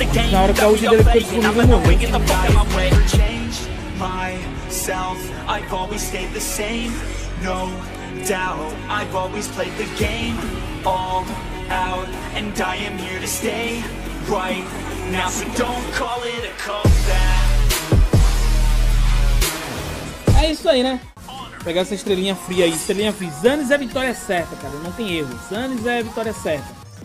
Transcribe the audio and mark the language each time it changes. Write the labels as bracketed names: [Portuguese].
[Portuguese] Na hora que a UG dele foi destruído, não. [English] Change myself, I've always stayed the same. No doubt, I've always played the game. All out, and I am here to stay. Right now, so don't call it a comeback. [Portuguese] É isso aí, né? Pegar essa estrelinha fria aí, estrelinha fria. Zanis é a vitória certa, cara. Não tem erro. Zanis é a vitória certa.